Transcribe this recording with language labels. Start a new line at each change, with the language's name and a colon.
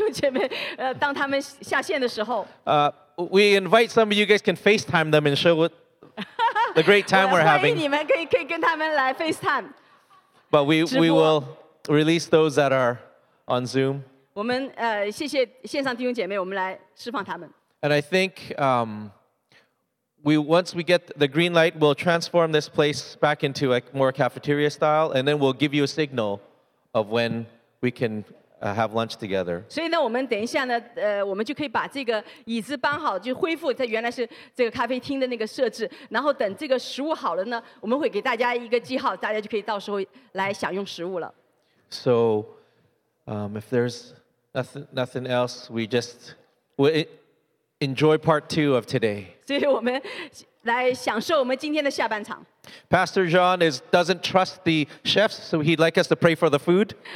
Chinese: 让我们来让我们在Zoom上的弟兄姐妹，当他们下线的时候。
English: We invite some of you guys can FaceTime them and show what. The great time we're having.
Chinese: 欢迎你们可以跟他们来 FaceTime.
English: But we will release those that are on Zoom.
Chinese: 我们谢谢线上弟兄姐妹，我们来释放他们。
English: And I think once we get the green light, we'll transform this place back into a more cafeteria style, and then we'll give you a signal of when we can have lunch together.
Chinese: 所以呢，我们等一下呢，我们就可以把这个椅子搬好，就恢复它原来是这个咖啡厅的那个设置。然后等这个食物好了呢，我们会给大家一个记号，大家就可以到时候来享用食物了。
English: So, If there's nothing else, we just enjoy part two of today.
Chinese: 所以我们来享受我们今天的下半场。
English: Pastor John doesn't trust the chefs, so he'd like us to pray for the food.